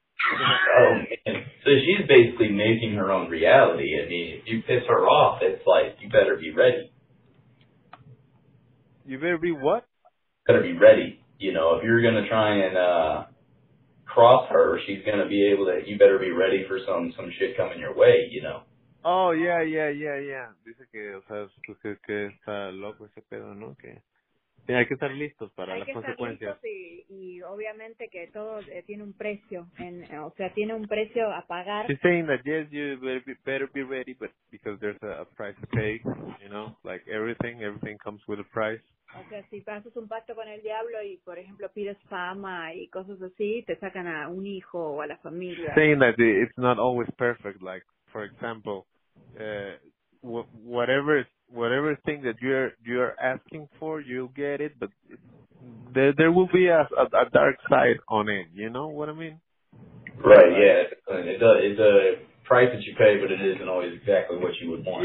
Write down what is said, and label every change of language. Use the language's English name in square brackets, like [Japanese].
[English] Oh man, so she's basically making her own reality. I mean, if you piss her off, it's like you better be ready. You better be what? Better be ready. You know, if you're gonna try and cross her, she's gonna be able to. You better be ready for some shit coming your way. You know. Oh yeah. [Spanish] Dice que, o sea, que está loco ese pedo, ¿no? Que sí, hay que estar listos para hay las que consecuencias. Estar listos y obviamente que todo tiene un precio, o sea, tiene un precio a pagar. [English] She's saying that yes, you better be ready, but because there's a price to pay, you know, like everything comes with a price. [Spanish] O sea, si haces un pacto con el diablo y, por ejemplo, pides fama y cosas así, te sacan a un hijo o a la familia. [English] She's saying that it's not always perfect. Like, for example, whatever thing that you're asking for, you'll get it, but there will be a dark side on it. You know what I mean? Right. Yeah. It's a price that you pay, but it isn't always exactly what you would want.